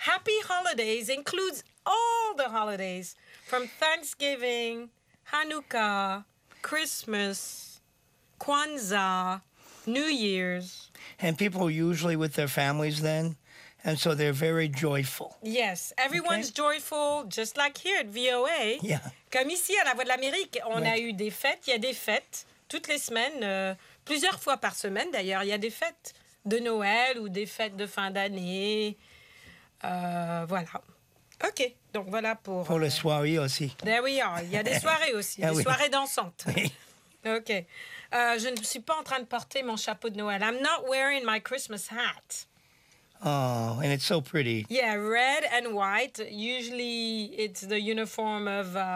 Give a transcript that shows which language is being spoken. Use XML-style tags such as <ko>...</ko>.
<en>so happy holidays includes all the holidays from Thanksgiving, Hanukkah, Christmas, Kwanzaa, New Year's. And people are usually with their families then, and so they're very joyful. Yes, everyone's joyful, just like here at VOA. Yeah.</en> <fr>Comme ici à la Voix de l'Amérique, on a eu des fêtes. Il y a des fêtes toutes les semaines, plusieurs fois par semaine d'ailleurs. Il y a des fêtes de Noël ou des fêtes de fin d'année. Voilà. OK, donc voilà pour... Pour les soirées aussi.</fr> <en>There we are.</en> <fr>Il y a des soirées aussi, soirées dansantes. Oui.</fr> <en>OK.</en> <fr>Je ne suis pas en train de porter mon chapeau de Noël.</fr> <en>I'm not wearing my Christmas hat. Oh, and it's so pretty. Yeah, red and white. Usually it's the uniform of...</en>